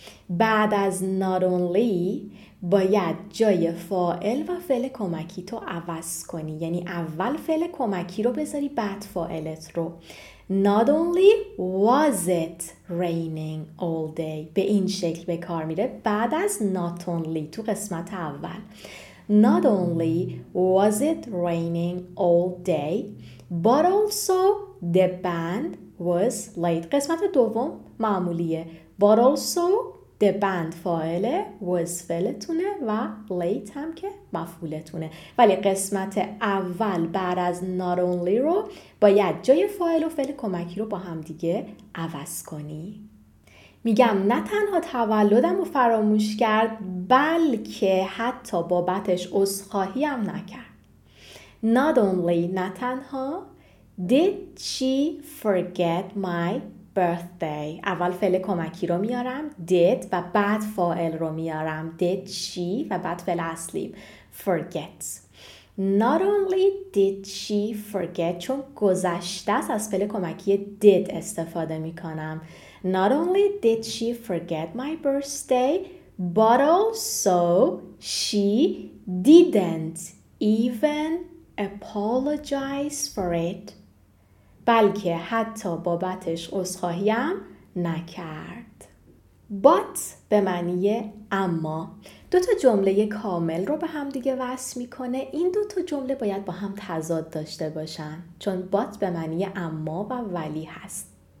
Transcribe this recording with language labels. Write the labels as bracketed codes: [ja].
[fa] بعد از not only باید جای فاعل و فعل کمکی تو عوض کنی، یعنی اول فعل کمکی رو بذاری بعد فاعلت رو. [en] Not only was it raining all day. [fa] به این شکل به کار میره بعد از not only تو قسمت اول. [en] Not only was it raining all day but also the band was late. [fa] قسمت دوم معمولیه. But also the band فاعله، was فعلتونه و late هم که مفعولتونه. ولی قسمت اول بعد از not only رو باید جای فاعل و فعل کمکی رو با هم دیگه عوض کنی. میگم نه تنها تولدم رو فراموش کرد، بلکه حتی بابتش عذرخواهی هم نکرد. [en] Not only نه تنها، did she forget my birthday. [fa] اول فعل کمکی رو میارم did و بعد فاعل رو میارم did she و بعد فعل اصلی forget. Not only did she forget، چون گذشته است از فعل کمکی did استفاده میکنم. [en] Not only did she forget my birthday but also she didn't even apologize for it. [fa] بلکه حتی بابتش عذرخواهی هم نکرد. But به معنی اما. دو تا جمله کامل رو به هم دیگه وصل میکنه. این دو تا جمله باید با هم تضاد داشته باشن، چون but به معنی اما و ولی هست.